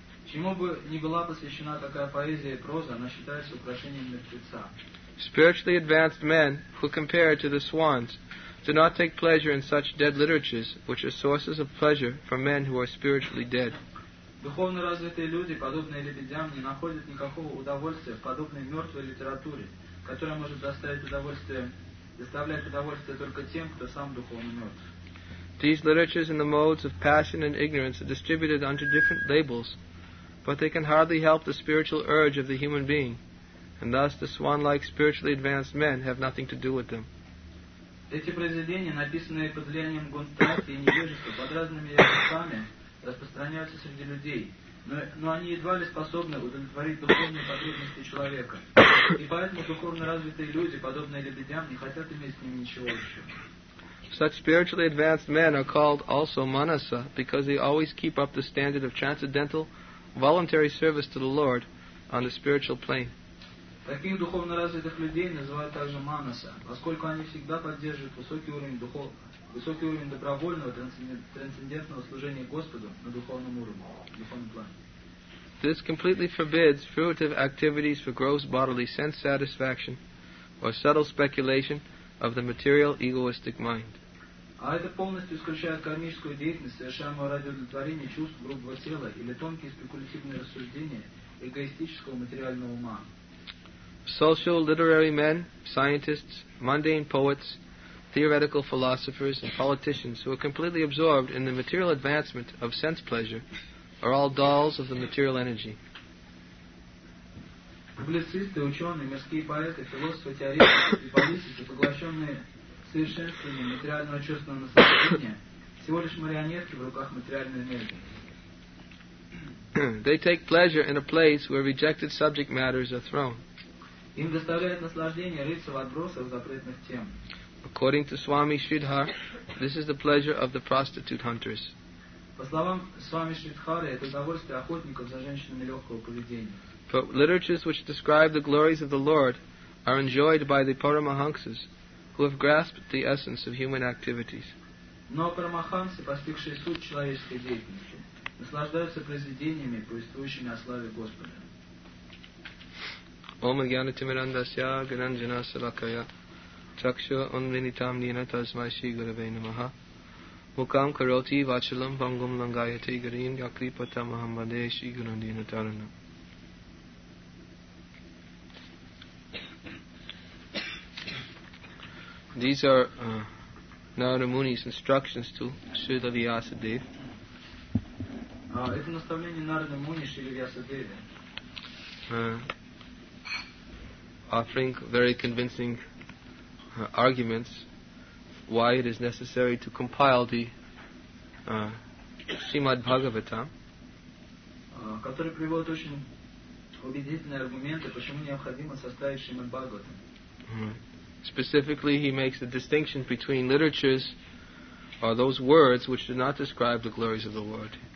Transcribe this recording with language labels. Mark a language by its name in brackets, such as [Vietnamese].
[Russian] Чему бы ни была посвящена такая поэзия и проза, она считается украшением мертвеца. [English] Spiritually advanced men, who compare it to the swans, do not take pleasure in such dead literatures, which are sources of pleasure for men who are spiritually dead. [Russian] Духовно развитые люди, подобные лебедям, не находят никакого удовольствия в подобной мертвой литературе, которая может доставлять удовольствие только тем, кто сам духовно мертв. [English] These literatures in the modes of passion and ignorance are distributed under different labels, but they can hardly help the spiritual urge of the human being, and thus the swan-like spiritually advanced men have nothing to do with them. [Russian] Эти произведения, написанные под влиянием гонтрации и невежества, под разными языками, распространяются среди людей, но они едва ли способны удовлетворить духовные потребности человека, и поэтому духовно развитые люди, подобные лебедям, не хотят иметь с ними ничего общего. [English] Such spiritually advanced men are called also manasa, because they always keep up the standard of transcendental voluntary service to the Lord on the spiritual plane. [Russian] Таких духовно развитых людей называют также манаса, поскольку они всегда поддерживают высокий уровень добровольного трансцендентного служения Господу на духовном уровне, духовном плане. [English] This completely forbids fruitive activities for gross bodily sense satisfaction or subtle speculation of the material egoistic mind. [Russian] А это полностью исключает кармическую деятельность, совершаемую ради удовлетворения чувств грубого тела или тонкие спекулятивные рассуждения эгоистического материального ума. [English] Social literary men, scientists, mundane poets, theoretical philosophers and politicians who are completely absorbed in the material advancement of sense pleasure are all dolls of the material energy. [Russian] Публицисты, ученые, мирские поэты, философы, теоретики и политики, поглощенные совершенствованием материального чувственного наслаждения, всего лишь марионетки в руках материальной энергии. [English] They take pleasure in a place where rejected subject matters are thrown. [Russian] Им доставляет наслаждение рыться в отбросах запретных тем. [English] According to Swami Sridhar, this is the pleasure of the prostitute hunters. [Russian] По словам Свами Шридхары, это удовольствие охотников за женщинами легкого поведения. [English] But literatures which describe the glories of the Lord are enjoyed by the Paramahansas who have grasped the essence of human activities. [Russian] Но Парамахансы, постигшие суть человеческой деятельности, наслаждаются произведениями, повествующими о славе Господа. [Sanskrit] Ом Гьяна Тимирандасья Гнанджана Салакая Чакшу Унвинитам Нина Тасмай Шри Гураве Намаха Мукам Кароти Вачалам Вангум Лангайати Гарим Якрипата Махамбаде Шри Гурандина Тарана. [English] These are Narada Muni's instructions to Srila Vyasadeva. [Russian] Это наставление Нарада Муни Шри Вьясадеве. [English] Offering very convincing arguments why it is necessary to compile the Srimad Bhagavatam. [Russian] Который приводит очень убедительные аргументы, почему необходимо составить Шримад Бхагаватам. [English] Specifically, he makes the distinction between literatures or those words which do not describe the glories of the Lord.